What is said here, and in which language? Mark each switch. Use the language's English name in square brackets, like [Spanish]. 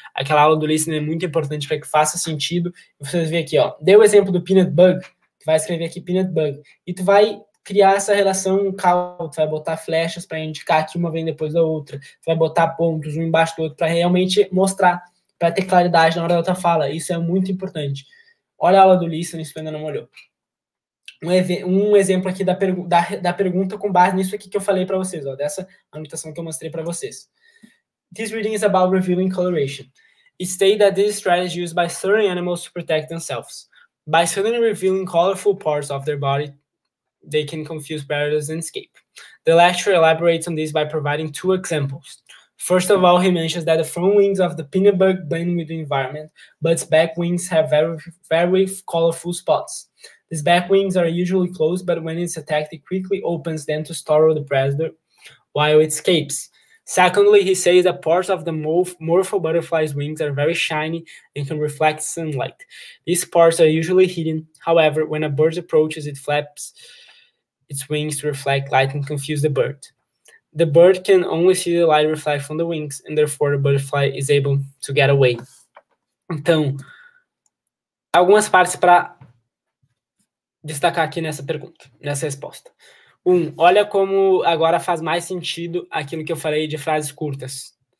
[Portuguese] Aquela aula do listening é muito importante para que faça sentido. Vocês veem aqui, ó, deu o exemplo do peanut bug, tu vai escrever aqui peanut bug, e tu vai criar essa relação, tu vai botar flechas para indicar que uma vem depois da outra, tu vai botar pontos um embaixo do outro para realmente mostrar, para ter claridade na hora da outra fala. Isso é muito importante. Olha a aula do listening, se tu ainda não olhou. Um exemplo aqui da pergunta com base nisso aqui que eu falei para vocês, ó, dessa anotação que eu mostrei para vocês. [English] This reading is about revealing coloration. It states that this strategy is used by certain animals to protect themselves. By suddenly revealing colorful parts of their body, they can confuse predators and escape. The lecturer elaborates on this by providing two examples. First of all, he mentions that the front wings of the peanut bug blend with the environment, but its back wings have very, very colorful spots. These back wings are usually closed, but when it's attacked, it quickly opens them to startle the predator while it escapes. Secondly, he says that parts of the morpho butterfly's wings are very shiny and can reflect sunlight. These parts are usually hidden. However, when a bird approaches, it flaps its wings to reflect light and confuse the bird. The bird can only see the light reflect from the wings, and therefore the butterfly is able to get away. [Portuguese] Então, algumas partes para destacar aqui nessa pergunta, nessa resposta. Um, olha como agora faz mais sentido aquilo que eu falei de frases curtas.